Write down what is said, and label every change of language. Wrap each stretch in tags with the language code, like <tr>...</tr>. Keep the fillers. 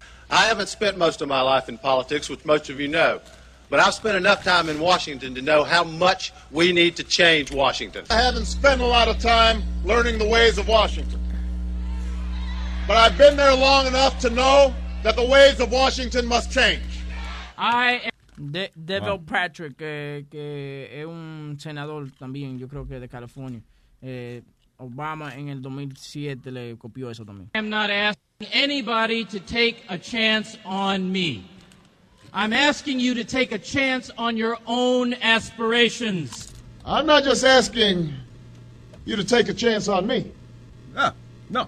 <en>haven't spent most of my life in politics, which most of you know. But I've spent enough time in Washington to know how much we need to change Washington. I haven't spent a lot of time learning the ways of Washington. But I've been there long enough to know that the ways of Washington must change. I am de wow.</en> <es>Patrick, eh, que es un senador también, yo creo que de California. Eh, Obama i</es> <en>I'm not asking anybody to take a chance on me. I'm asking you to take a chance on your own aspirations. I'm not just asking you to take a chance on me. No, no.</en>